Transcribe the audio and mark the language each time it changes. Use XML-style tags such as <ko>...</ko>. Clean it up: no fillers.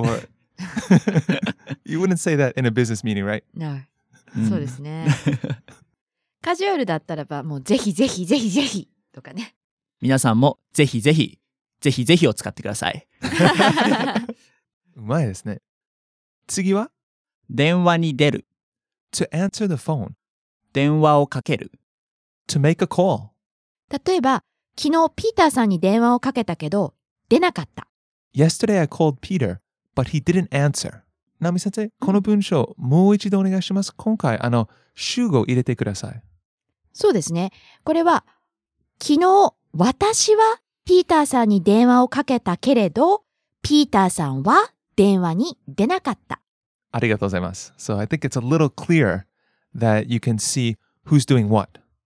<en>Or, you wouldn't say that in a business meeting, right?</en> <ja>No. そうですね。カジュアルだったらば、もうぜひぜひぜひぜひとかね。皆さんもぜひぜひぜひぜひを使ってください。うまいですね。次は電話に出る。</ja> <en>To answer the phone.</en> <ja>電話をかける。</ja> <en>To make a call.</en> <ja>例えば、昨日ピーターさんに電話をかけたけど、出なかった。</ja> <en>Yesterday I called Peter, but he didn't answer.</en> <ja>ナミ先生、この文章、もう一度お願いします。今回、主語を入れてください。そうですね。これは、昨日私はピーターさんに電話をかけたけれど、ピーターさんは電話に出なかった。ありがとうございます。</ja> <en>So I think it's a little clear that you can see who's doing what.</en>